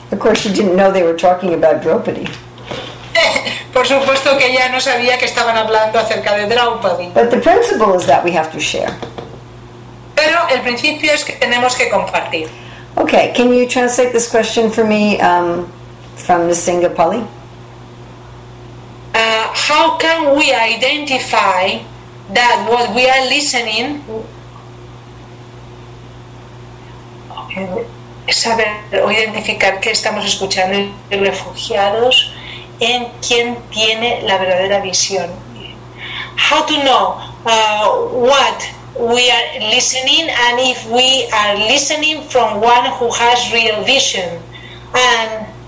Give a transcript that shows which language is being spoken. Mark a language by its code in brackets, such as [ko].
[en] Of course, she didn't know they were talking about Draupadi. [es] Por supuesto que ella no sabía que estaban hablando acerca de Draupadi. [en] But the principle is that we have to share. [es] Pero el principio es que tenemos que compartir. [en] Okay, can you translate this question for me from Nisinga Pali? How can we identify that what we are listening? [es] Saber o identificar que estamos escuchando de refugiados en quien tiene la verdadera visión. [en] How to know what we are listening and if we are listening from one who has real vision and